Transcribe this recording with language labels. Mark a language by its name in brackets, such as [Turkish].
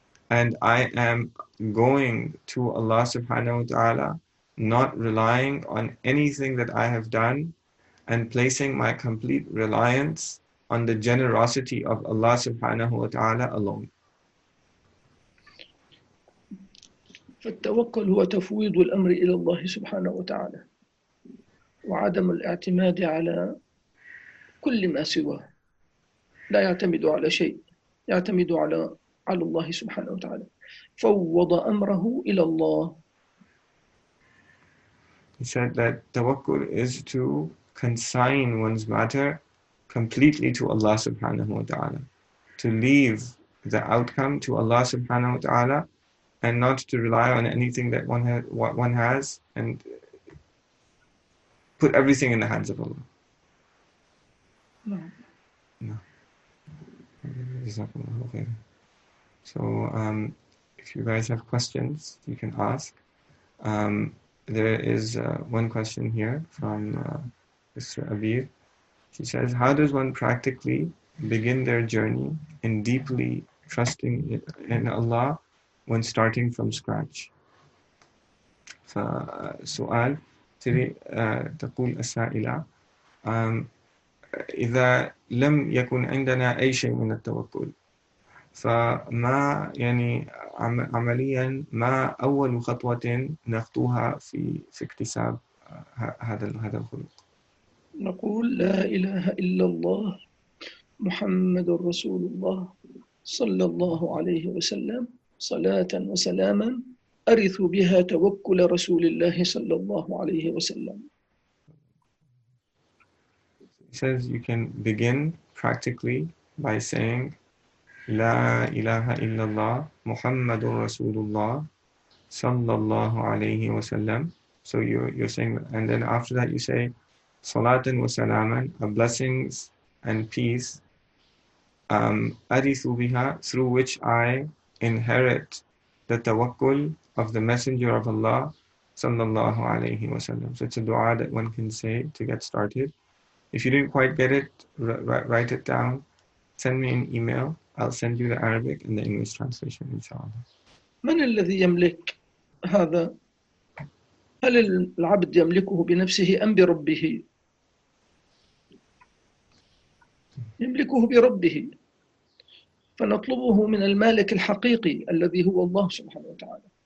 [English] And I am going to Allah subhanahu wa ta'ala, not relying on anything that I have done, and placing my complete reliance on the generosity of Allah subhanahu wa ta'ala alone." [Arabic] فالتوكل هو تفويض الأمر إلى الله سبحانه وتعالى وعدم الاعتماد على كل ما سواه لا يعتمد على شيء يعتمد على الله سبحانه وتعالى فوض أمره إلى الله. [English] He said that tawakkul is to consign one's matter completely to Allah subhanahu wa ta'ala, to leave the outcome to Allah subhanahu wa ta'ala and not to rely on anything that one has, what one has, and put everything in the hands of Allah. No. Okay. So if you guys have questions, you can ask. There is one question here from Mr. Abir. She says, "How does one practically begin their journey in deeply trusting in Allah when starting from scratch?" [Arabic] فسؤال تري تقول السائلة إذا لم يكن عندنا أي شيء من التوكل فما يعني عمليا ما أول خطوة نخطوها في اكتساب هذا الخلق؟ نقول لا إله إلا الله محمد رسول الله صلى الله عليه وسلم صلاة وسلاما أرث بها توكل رسول الله صلى الله عليه وسلم. [English] He says you can begin practically by saying [Arabic] لا إله إلا الله محمد رسول الله صلى الله عليه وسلم. [English] So you're saying, and then after that you say [Arabic] صلاة وسلاما, [English] a blessings and peace, [Arabic] أرث بها, [English] through which I inherit the tawakkul of the Messenger of Allah sallallahu alayhi wa sallam. So it's a dua that one can say to get started. If you didn't quite get it, write it down. Send me an email. I'll send you the Arabic and the English translation, inshallah. [Arabic] من الذي يملك هذا؟ هل العبد يملكه بنفسه أم بربه؟ يملكه بربه. فنطلبه من المالك الحقيقي الذي هو الله سبحانه وتعالى.